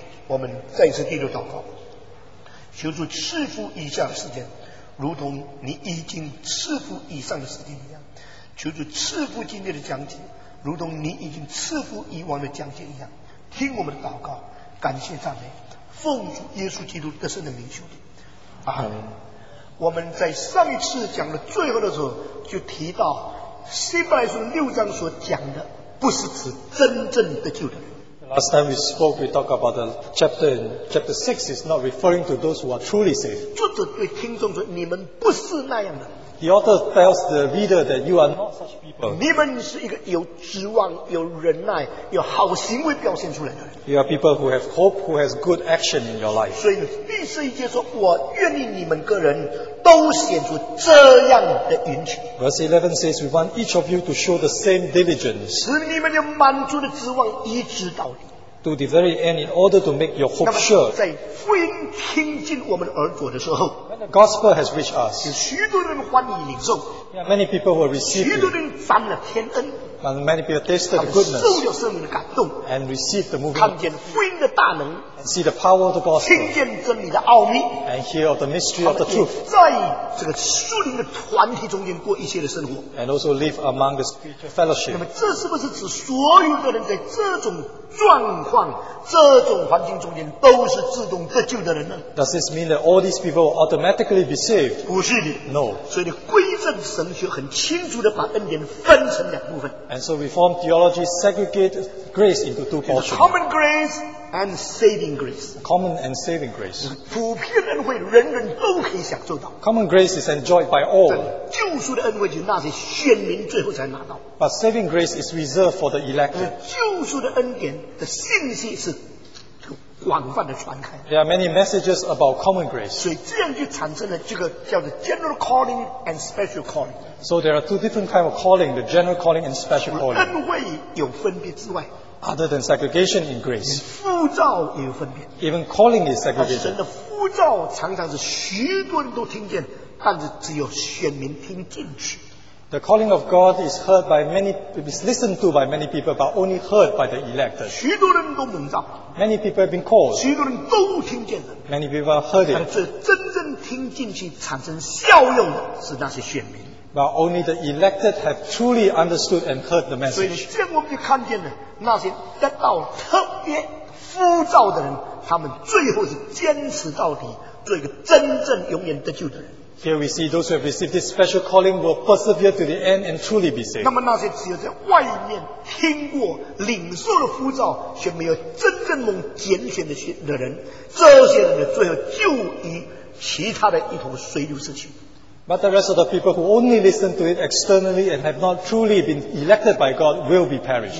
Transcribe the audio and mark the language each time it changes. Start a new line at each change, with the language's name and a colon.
Chinese: 我们再次低头祷告，求主赐福以下的时间，如同你已经赐福以上的时间一样，求主赐福今天的讲解，如同你已经赐福以往的讲解一样。听我们的祷告，感谢赞美，奉主耶稣基督得胜的名求的。阿门。我们在上一次讲的最后的时候，就提到希伯来书六章所讲的，不是指真正得救的人。
English: Last time we spoke, we talked about the chapter in chapter six is not referring to those who are truly saved.
Chinese: 作者对听众说，你们不是那样的。
English: The author tells the reader that you are not such people.
Chinese: 你们是一个有指望、有忍耐、有好行为表现出来的人。
English: You are people who have hope, who has good action in your life.
Chinese: 所以第十一节说，我愿意你们个人都显出这样的殷勤。
English: Verse 11 says, we want each of you to show the same diligence.
Chinese: 使你们有满足的指望，一直到底。
English: To the very end, in order to make your hope sure.
Chinese: 那么在福音听进我们耳朵的时候。
English: The gospel has reached us.
Chinese: 有许多人欢喜领受。
English: Many people will receive.
Chinese: 许多人沾了天恩。
English: And many people tasted the goodness.
Chinese: 受了圣灵的感动。
English: And received the moving.
Chinese: 看见福音的大能。
English: And see the power of the gospel.
Chinese: 听见真理的奥秘。
English: And hear of the mystery of the truth.
Chinese: 在这个属灵的团体中间过一切的生活。
English: And also live among the spiritual fellowship.
Chinese: 那么这是不是指所有的人在这种状况、这种环境中间都是自动得救的人呢？
English: Does this mean that all these people will automatically be saved?
Chinese: 不是的。
English: No.
Chinese: 所以你归正神学很清楚地把恩典分成两部分。
English: And so Reformed theology segregated grace into two portions. Common grace and saving grace. Common and saving grace.
Chinese: 普遍恩惠人人都可以享受到。
English: Common grace is enjoyed by all.
Chinese: 救赎的恩惠就是那些选民最后才拿到。
English: But saving grace is reserved for the elected.
Chinese: 救赎的恩典的信息是广泛的传开。
English: There are many messages about common grace.
Chinese: 所以这样就产生了这个叫做
English: general calling and special calling. So there are two different kinds of calling, the general calling and special calling.
Chinese: 恩惠有分别之外。
English: Other than segregation in grace.
Chinese: 呼召也有分别。
English: Even calling is segregation.
Chinese: 神的呼召常常是许多人都听见，但是只有选民听进去。
English: The calling of God is heard by many, is listened to by many people, but only heard by the elected.
Chinese: 许多人都蒙召。
English: Many people have been called.
Chinese: 许多人都听见了。
English: Many people have heard it.
Chinese: 但是真正听进去产生效用的是那些选民。
English: But only the elected have truly understood and heard the message.
Chinese: 所以这样我们就看见了那些得到特别呼召的人，他们最后是坚持到底，做一个真正永远得救的人。
English: Here we see those who have received this special calling will persevere to the end and truly be saved.
Chinese: 那么那些只有在外面听过领受了呼召却没有真正蒙拣选的人，这些人最后就以其他的意图随流失去。
English: But the rest of the people who only listen to it externally and have not truly been elected by God will be perished.